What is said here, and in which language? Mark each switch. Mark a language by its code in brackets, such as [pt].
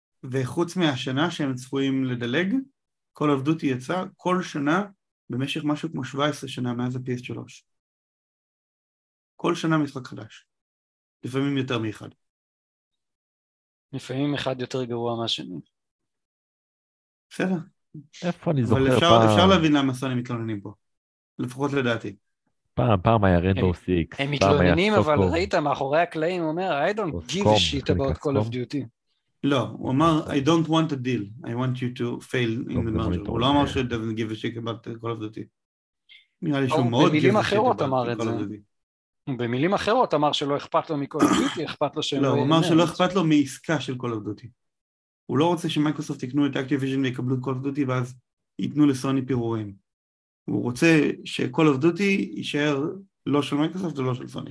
[he] וחוץ מהשנה שהם צפויים לדלג, כל עבדות היא יצא כל שנה במשך משהו כמו 17 שנה מאז ה-PS3. כל שנה משחק חדש. לפעמים יותר מאחד. לפעמים אחד יותר גרוע מהשני. בסדר. איפה אני זוכר? אבל אפשר, פעם... אפשר להבין למה סוני מתלוננים פה. לפחות לדעתי. פעם היה רנדור סיקס. הם מתלוננים, אבל ראית מאחורי הקלעים, הוא אומר, [en] I don't give a shit about Call of Duty. [he] לא, הוא אמר, [en] I don't want a deal. I want you to fail in the merger. [he] הוא לא אמר שהוא [en] doesn't give a shit about Call of Duty. [he] נראה לי שהוא מאוד במילים אחרות אמר את זה. במילים אחרות אמר שלא אכפת לו מכל of Duty, אכפת לו שהם... לא, הוא אמר שלא אכפת לו מעסקה של Call of Duty. הוא לא רוצה שמייקרוסופט יקנו את Activision ויקבלו את Call of Duty, ואז ייתנו לסוני פירורים. הוא רוצה שכל of Duty יישאר לא של מייקרוסופט ולא של סוני.